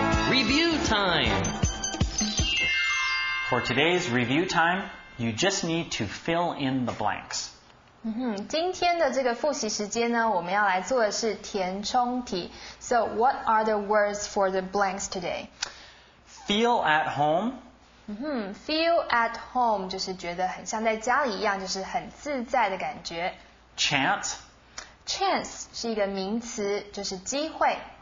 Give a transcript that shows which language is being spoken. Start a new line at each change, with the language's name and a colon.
English: Review time. For today's review time, you just need to fill in the blanks.
Chinese: 今天的这个复习时间呢，我们要来做的是填充题。
English: So, what are the words for the blanks today? Feel at home.
Chinese: Feel at home 就是觉得很像在家里一样，就是很自在的感觉。
English: Chance.
Chinese: Chance 是一个名词，就是机会。